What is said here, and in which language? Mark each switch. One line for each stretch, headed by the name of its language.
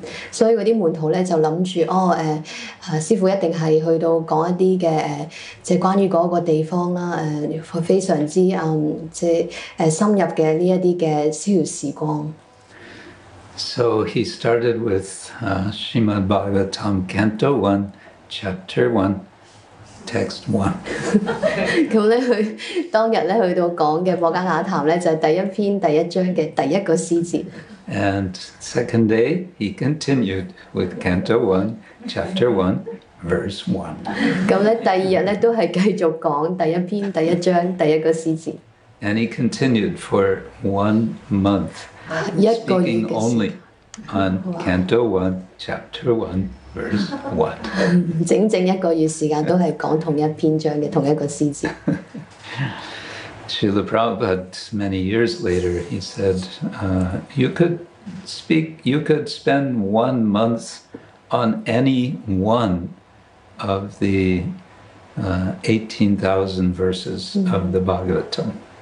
Cantonese: 所以嗰啲門徒咧就諗住，師傅一定係去到講一啲嘅即係關於嗰個地方啦，非常之即係深入嘅呢一啲嘅逍遙時光。
English: So he started with Srimad Bhagavatam Canto 1, Chapter 1. text one.
Cantonese: 咁咧，佢當日咧去到講嘅《博加瓦談》咧，就係第一篇第一章嘅第一個詩節。
English: And second day, he continued with Canto 1, Chapter 1, Verse 1.
Cantonese: 咁咧，第二日咧都係繼續講第一篇第一章第一個詩節。
English: And he continued for 1 month, speaking only on Canto 1, Chapter 1, Verse 1.
Cantonese: 整整一個月時間都係講同一篇章嘅同一個詩節。
English: Srila Prabhupada, many years later, he said, you could spend 1 month on any one of the 18,000 verses of the Bhagavatam.